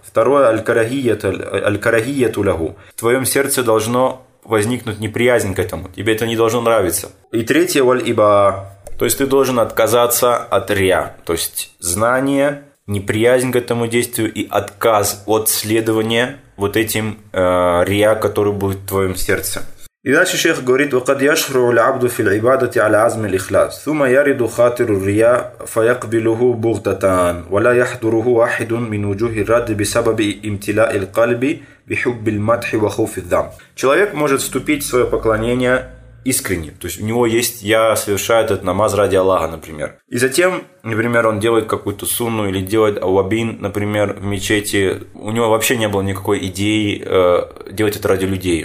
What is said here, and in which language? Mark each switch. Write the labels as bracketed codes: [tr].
[ru] Второе – аль-карахия туляху. В твоем сердце должно возникнуть неприязнь к этому. Тебе это не должно нравиться. И третье – валь-иба. То есть ты должен отказаться от рия. То есть знание, неприязнь к этому действию и отказ от следования вот этим рия, который будет в твоем сердце. И дальше шейх говорит: [ar] وَقَدْ يَشْرُعُ الْعَبْدُ فِي الْعِبَادَةِ عَلَى عَزْمِ الْإِخْلَاسِ ثُمَّ يَرِدُ خَاطِرُ الرِّيَا فَيَقْبِلُهُ بُغْضَةً وَلَا يَحْضُرُهُ أَحَدٌ مِنْ وُجُوهِ الرَّدِّ بِسَبَبِ امْتِلَاءِ الْقَلْبِ بِحُبِّ الْمَدْحِ وَخَوْفِ الذَّمِّ. [ru] Человек может вступить в свое поклонение искренне, то есть у него есть «я совершаю этот намаз ради Аллаха», например. И затем, например, он делает какую-то сунну или делает ауабин, например, в мечети. У него вообще не было никакой идеи делать это ради людей.